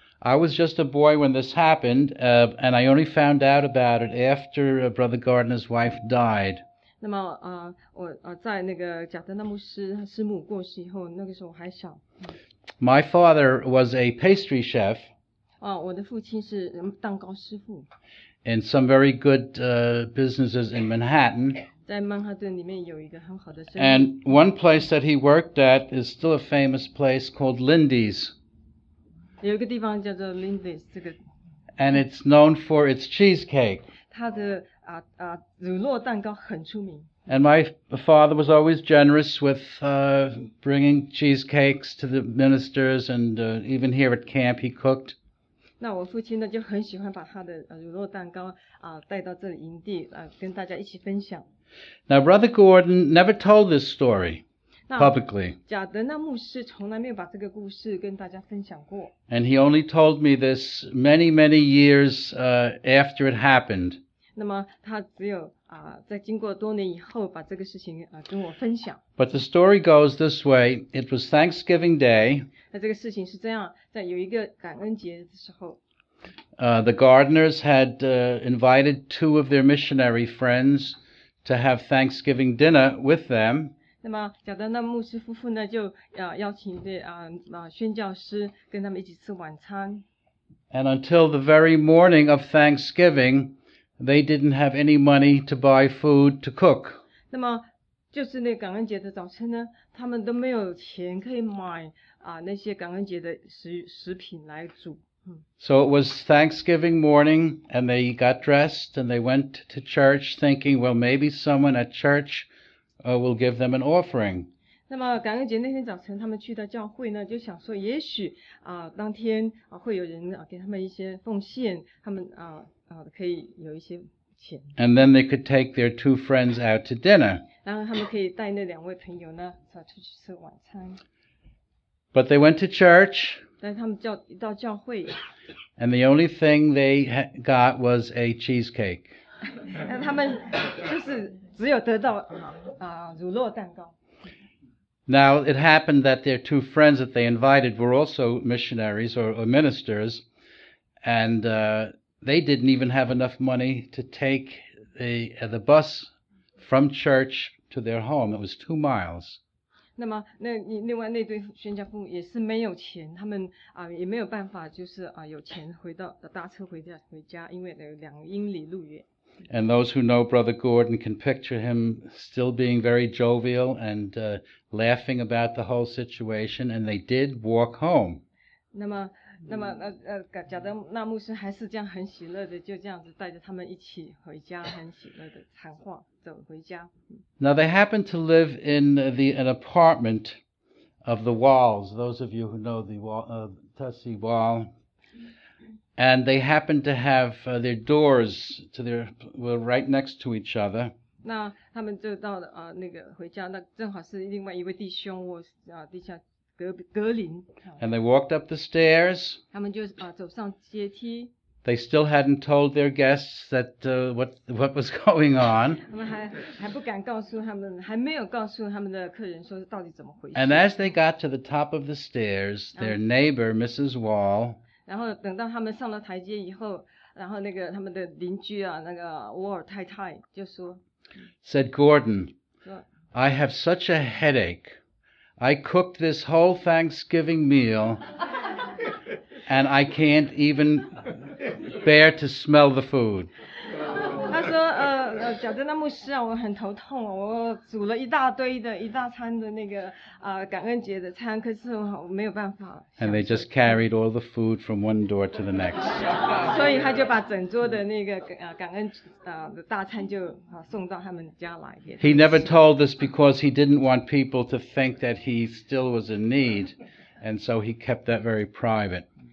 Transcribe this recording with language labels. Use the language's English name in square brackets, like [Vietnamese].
[English] I was just a boy when this happened, and I only found out about it after Brother Gordon's wife died. [Chinese] 那么我在那个贾德纳牧师他师母过世以后，那个时候我还小。 [English] My father was a pastry chef. [Chinese] 我的父亲是蛋糕师傅。 [English] In some very good businesses in Manhattan. [Chinese] 在曼哈顿里面有一个很好的生意。 [English] And one place that he worked at is still a famous place called Lindy's. [Chinese] 有一个地方叫做 Lindy's 这个。 [English] And it's known for its cheesecake. [Chinese] 它的乳酪蛋糕很出名。 [English] And my father was always generous with bringing cheesecakes to the ministers, and even here at camp he cooked. [Chinese] 那我父亲呢就很喜欢把他的乳酪蛋糕带到这里营地跟大家一起分享。 [English] Now Brother Gordon never told this story publicly. [Chinese] 贾德纳牧师从来没有把这个故事跟大家分享过。 [English] And he only told me this many, many years after it happened. [Chinese] 那么他只有在经过多年以后把这个事情跟我分享。 [English] But the story goes this way, it was Thanksgiving Day. [Chinese] 那这个事情是这样，在有一个感恩节的时候。 [English] The gardeners had invited two of their missionary friends to have Thanksgiving dinner with them. [Chinese] 那么贾德纳牧师夫妇呢就邀请宣教师跟他们一起吃晚餐。 [English] And until the very morning of Thanksgiving,They didn't have any money to buy food to cook. [Chinese] 那么就是那感恩节的早晨呢，他们都没有钱可以买那些感恩节的食品来煮。 [English] So it was Thanksgiving morning, and they got dressed and they went to church, thinking, well, maybe someone at church will give them an offering. [Chinese] 那么感恩节那天早晨，他们去到教会呢，就想说，也许当天会有人给他们一些奉献，他们可以有一些钱。 [English] And then they could take their two friends out to dinner. [Chinese] 然后他们可以带那两位朋友呢，出去吃晚餐。 [English] But they went to church. [Chinese] 但他们到教会。 [English] And the only thing they got was a cheesecake. [Chinese] 他们就是只有得到乳酪蛋糕。 [English] Now it happened that their two friends that they invited were also missionaries or ministers, and they didn't even have enough money to take the bus from church to their home. It was 2 miles. [Chinese] 那么另外那对宣教父母也是没有钱，他们也没有办法就是有钱搭车回家，因为有2英里路远。 [English] And those who know Brother Gordon can picture him still being very jovial and laughing about the whole situation, and they did walk home. [Chinese] 那么贾德纳牧师还是这样很喜乐的，就这样子带着他们一起回家，很喜乐的谈话走回家。 [English] Now they happened to live in an apartment of the Walls, those of you who know the Tessie Wall. And they happened to have their doors to their, were right next to each other. [Chinese] 那他们就到那个回家，那正好是另外一位弟兄，我弟兄格林。 [English] And they walked up the stairs. [Chinese] 他们就走上阶梯。 [English] They still hadn't told their guests that what was going on. [Chinese] 还不敢告诉他们，还没有告诉他们的客人说到底怎么回事。 [English] And as they got to the top of the stairs, their neighbor, Mrs. Wall. [Chinese] 然后等到他们上了台阶以后，然后那个他们的邻居啊，那个沃尔太太就说。 [English] Said Gordon, I have such a headache. I cooked this whole Thanksgiving meal, and I can't even bear to smell the food. [Chinese] 他说，贾德纳牧师啊，我很头痛啊，我煮了一大堆的一大餐的那个感恩节的餐，可是我没有办法。 [English] And they just carried all the food from one door to the next. [Chinese] 所以他就把整桌的那个感恩的大餐就送到他们家来。 [English] He never told this because he didn't want people to think that he still was in need, and so he kept that very private.